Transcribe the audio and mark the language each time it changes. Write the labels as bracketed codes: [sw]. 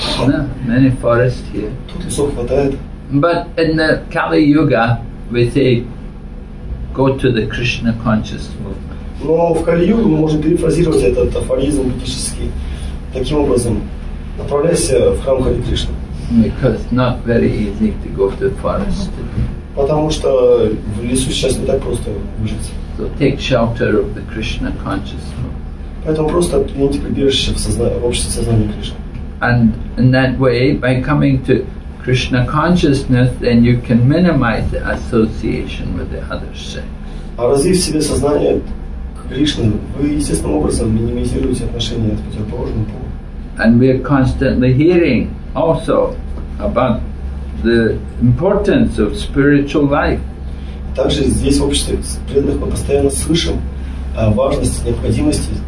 [en] No, many forests here. [ru] Тут лесов хватает. [en] But in the Kali Yuga, we say, go to the Krishna conscious movement. [ru] Но в Kali Yuga мы можем перефразировать этот афоризм буддистский таким образом: направляйся в храм Хари Кришны. [en] Because not very easy to go to forest. [ru] Потому что в лесу сейчас не так просто выжить. [en] So take shelter of the Krishna consciousness. [ru] Поэтому просто примите прибежище в обществе сознания Кришны. [en] And in that way, by coming to Krishna consciousness, then you can minimize the association with the other sex. [ru] А развив в себе сознание Кришны, вы естественным образом минимизируете отношения с противоположным полом. [en] And we are constantly hearing also about the importance of spiritual life. [ru] Также здесь в обществе преданных мы постоянно слышим о важности, необходимости.